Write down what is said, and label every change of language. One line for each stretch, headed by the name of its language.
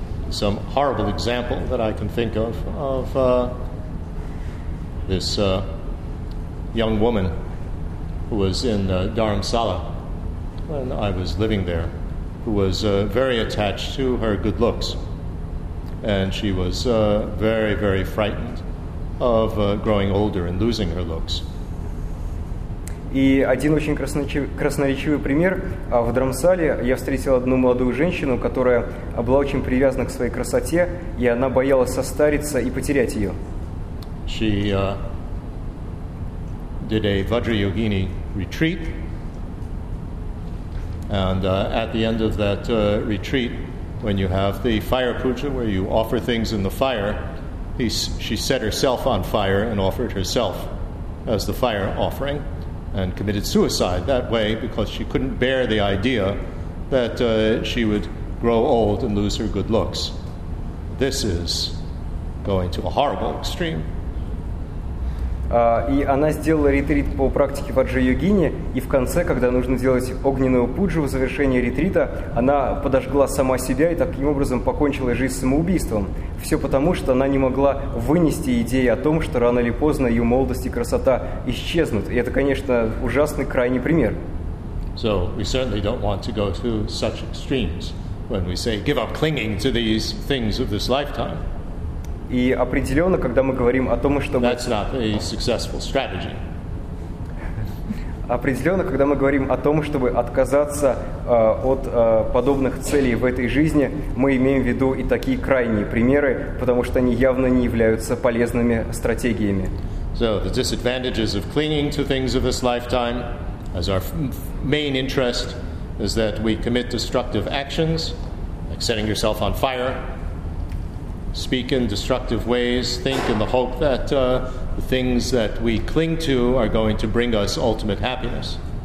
English: Some horrible example that I can think of this young woman who was in Dharamsala when I was living there, who was very attached to her good looks. And she was very, very frightened of growing older and losing her looks.
Russian: И один очень красноречивый пример. В Дармсале я встретил одну молодую женщину, которая была очень привязана к своей красоте, и она боялась состариться и потерять ее.
English: She did a Vajrayogini retreat. And at the end of that retreat, when you have the fire puja, where you offer things in the fire, she set herself on fire and offered herself as the fire offering. And committed suicide that way because she couldn't bear the idea that she would grow old and lose her good looks. This is going to a horrible extreme.
Russian: И она сделала ретрит по практике ваджра-йогини, и в конце, когда нужно делать огненную пуджу в завершении ретрита, она подожгла сама себя и таким образом покончила жизнь самоубийством. Все потому, что она не могла вынести идеи о том, что рано или поздно ее молодость и красота исчезнут. И это, конечно, ужасный крайний пример.
English: So we certainly don't want to go through such extremes when we say give up clinging to these things of this lifetime.
Russian: И определенно, когда мы говорим о том, чтобы...
English: That's not a successful strategy.
Russian: Определенно, когда мы говорим о том, чтобы отказаться от подобных целей в этой жизни, мы имеем в виду и такие крайние примеры, потому что они явно не являются полезными стратегиями.
English: So the disadvantages of clinging to things of this lifetime as our main interest is that we commit destructive actions, like setting yourself on fire, speak in destructive ways, think in the hope that the things that we cling to are going to bring us ultimate happiness.